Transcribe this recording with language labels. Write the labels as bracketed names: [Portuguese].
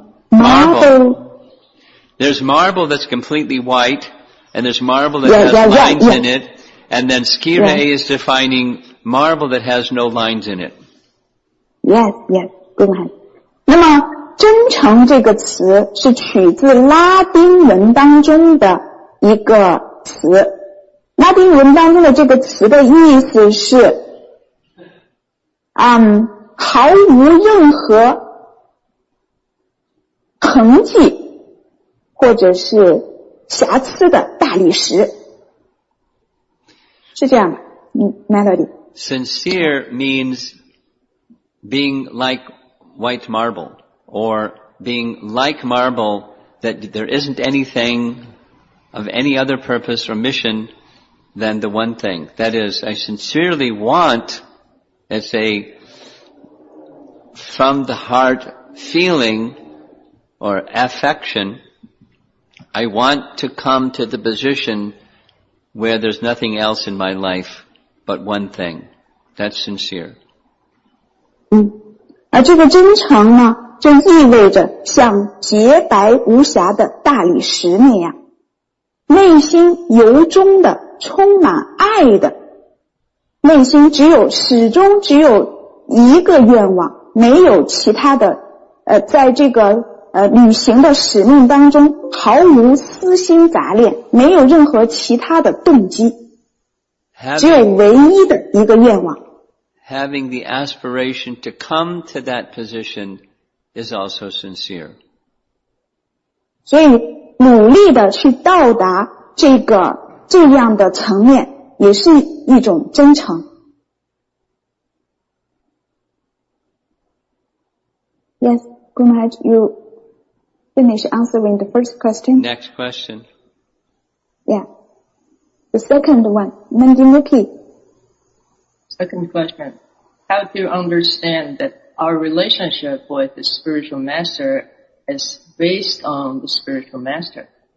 [English] Marble. There's marble that's completely white, and there's marble that has lines in it, and then scire is defining marble that has no lines in it. Yes, yes, go ahead. [Chinese] 那么真诚这个词是取自拉丁文当中的一个词。拉丁文当中的这个词的意思是毫无任何痕迹或者是瑕疵的大理石。是这样的 ,Melody。 [English] Sincere means being like white marble, or being like marble that there isn't anything of any other purpose or mission than the one thing. That is, I sincerely want, it's a from the heart feeling or affection, I want to come to the position where there's nothing else in my life but one thing. That's sincere. [Chinese] 而这个真诚呢，就意味着像洁白无瑕的大理石那样，内心由衷的充满爱的，内心只有始终只有一个愿望，没有其他的，在这个旅行的使命当中毫无私心杂念，没有任何其他的动机，只有唯一的一个愿望。 [English] Having the aspiration to come to that position is also sincere. [Chinese] 所以努力的去到达这样的层面也是一种真诚。 [English] Yes, Gunaj, you finish answering the first question. Next question. Yeah. The second one, Mandimuki. Second question. How to understand that our relationship with the spiritual master is based on the spiritual master?